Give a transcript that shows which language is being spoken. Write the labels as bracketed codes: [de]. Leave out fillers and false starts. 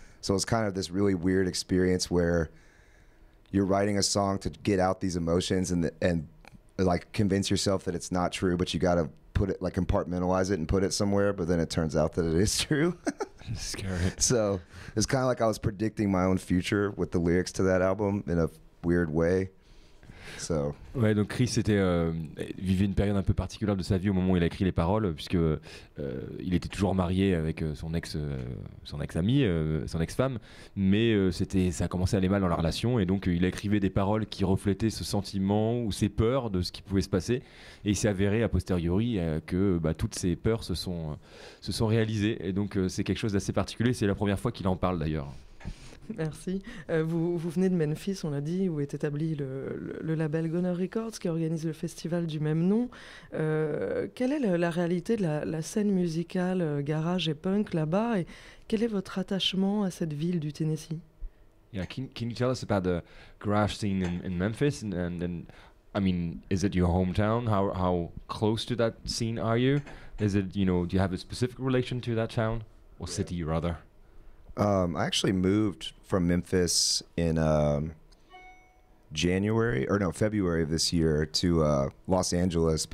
[en] So it was kind of this really weird experience where you're writing a song to get out these emotions and like convince yourself that it's not true, but you got to put it, like compartmentalize it and put it somewhere. But then it turns out that it is true. Scary. So it's kind of like I was predicting my own future with the lyrics to that album in a weird way. So. [fr] Ouais, donc Chris était, vivait une période un peu particulière de sa vie au moment où il a écrit les paroles, puisque il était toujours marié avec son ex-femme, mais ça a commencé à aller mal dans la relation, et donc il écrivait des paroles qui reflétaient ce sentiment ou ses peurs de ce qui pouvait se passer, et il s'est avéré a posteriori que bah, toutes ses peurs se sont réalisées, et donc c'est quelque chose d'assez particulier, c'est la première fois qu'il en parle d'ailleurs. Merci. Vous venez de Memphis, on l'a dit, où est établi le label Goner Records, qui organise le festival du même nom. Quelle est la réalité de la scène musicale garage et punk là-bas, et quel est votre attachement à cette ville du Tennessee? [en] Yeah, can you tell us about the garage scene in Memphis? And I mean, is it your hometown? How close to that scene are you? Is it, you know, do you have a specific relation to that town or city rather? I actually moved from Memphis in February of this year to Los Angeles.